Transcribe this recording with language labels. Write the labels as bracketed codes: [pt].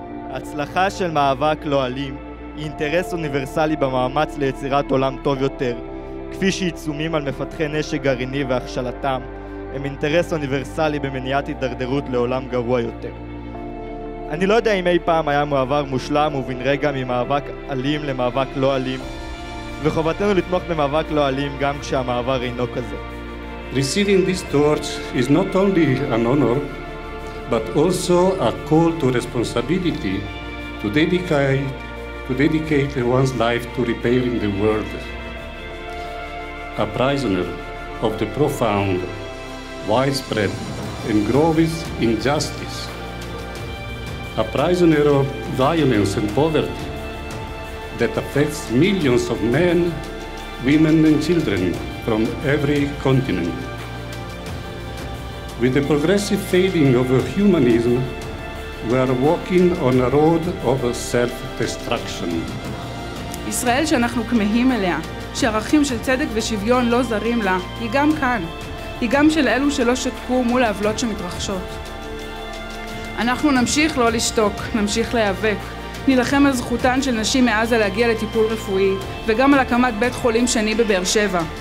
[he] הצלחה של מאבק לא אלים אינטרס אוניברסלי במאמץ ליצירת עולם טוב יותר, כפי שעיצומים על מפתחי נשק גרעיני והכשלתם, הם אינטרס אוניברסלי במניעת הידרדרות לעולם גרוע יותר. אני לא יודע אם אי פעם היה מעבר מושלם ובין רגע ממאבק אלים למאבק לא אלים, וחובתנו לתמוך במאבק לא אלים גם כשהמעבר אינו כזה. [en] Receiving this torch is not only an honor, but also a call to responsibility to dedicate one's life to repairing the world. A prisoner of the profound, widespread, and gross injustice. A prisoner of violence and poverty that affects millions of men, women, and children from every continent. With the progressive fading of humanism, we are walking on a road of self-destruction. [he] ישראל שאנחנו כמהים אליה, שערכים של צדק ושוויון לא זרים לה, היא גם כאן. היא גם של אלו שלא שתקו מול העוולות שמתרחשות. אנחנו נמשיך לא לשתוק, נמשיך להיאבק, נלחם על זכותן של נשים מעזה להגיע לטיפול רפואי, וגם על הקמת בית חולים שני בבאר שבע.